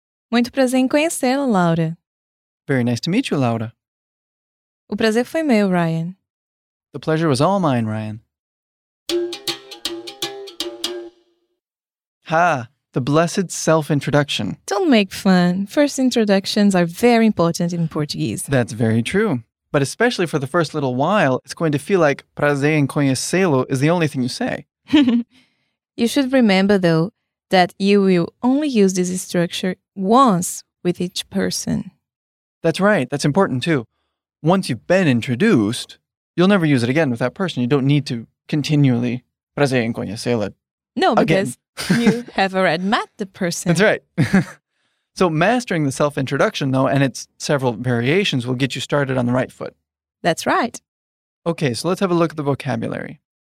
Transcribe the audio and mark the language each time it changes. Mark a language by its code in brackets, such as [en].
[pt] Muito prazer em conhecê-la, Laura. [en] Very nice to meet you, Laura. [pt] O prazer foi meu, Ryan. [en] The pleasure was all mine, Ryan. Ha! The blessed self-introduction. Don't make fun. First introductions are very important in Portuguese. That's very true. But especially for the first little while, it's going to feel like [pt] prazer em conhecê-lo [en] is the only thing you say. You should remember, though, that you will only use this structure once with each person. That's right. That's important, too. Once you've been introduced, you'll never use it again with that person. You don't need to continually [pt] prazer em conhecê-lo. [en] No, because you have already met the person. That's right. So mastering the self-introduction, though, and its several variations will get you started on the right foot. That's right. Okay, so let's have a look at the vocabulary.